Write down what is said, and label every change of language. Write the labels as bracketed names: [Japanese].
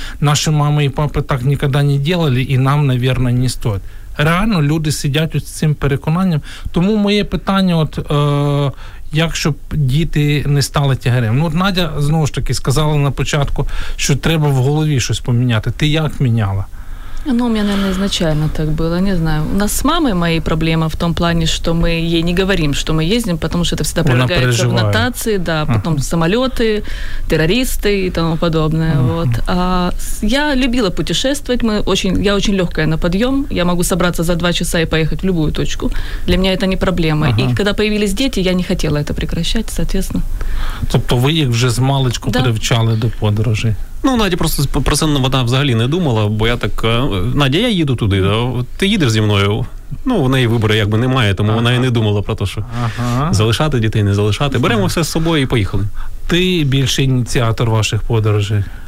[Ukrainian] Наші мами і папи так ніколи не робили, і нам, мабуть, не стоїть. Реально люди сидять з цим переконанням. Тому моє питання, от, як щоб діти не стали тягарем? Ну, от Надя, знову ж таки, сказала на початку, що треба в голові щось поміняти. Ти як міняла? [Russian] Ну, у меня, наверное, изначально так было, не знаю. У нас с мамой мои проблемы в том плане, что мы ей не говорим, что мы ездим, потому что это всегда прилагается в нотации, да, потом самолеты, террористы и тому подобное, вот. А я любила путешествовать, я очень легкая на подъем, я могу собраться за 2 часа и поехать в любую точку. Для меня это не проблема. И когда появились дети, я не хотела это прекращать, соответственно. [Ukrainian] Тобто вы их уже с малочку привчали до подорожей? Ну, Надя просто про це вона взагалі не думала, бо я так, Надя, я їду туди, да? Ти їдеш зі мною? Ну, в неї вибору якби немає, тому вона і не думала про те, що залишати дітей, не залишати. Беремо все з собою і поїхали. Ти більший ініціатор ваших подорожей?